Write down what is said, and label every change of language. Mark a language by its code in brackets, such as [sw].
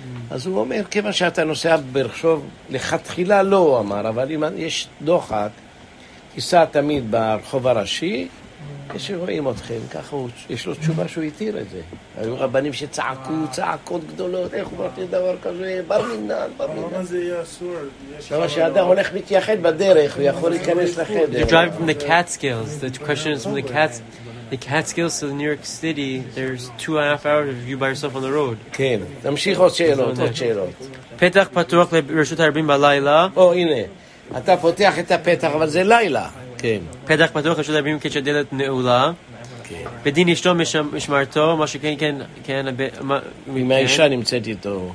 [he] אז הוא אומר, כיוון שאתה נוסע ברחשוב, לכתחילה לא, הוא אמר, אבל אם יש דוחק, תיסע תמיד ברחוב הראשי, כשרואים אתכם, ככה יש לו תשובה שהוא התיר את זה. היו רבנים שצעקו, צעקות גדולות, איך הוא מפיר דבר כזה, בר מינן, בר מינן. למה זה יהיה אסור? למה שאדם הולך מתייחד בדרך, הוא יכול להיכנס לחדר. [en] You're driving from the Catskills. The question is from the Catskills to New York City. There's 2.5 hours of you by yourself on the road. [he] כן, תמשיך עוד שאלות, עוד שאלות. פתח פתוח לרשות הרבים בלילה. או, הנה, אתה פותח את הפתח, אבל זה לילה. פתח פתוח רשות הרבים כשהדלת נעולה בדין אשתו משמרתו מה שכן כן כן עם האישה נמצאת איתו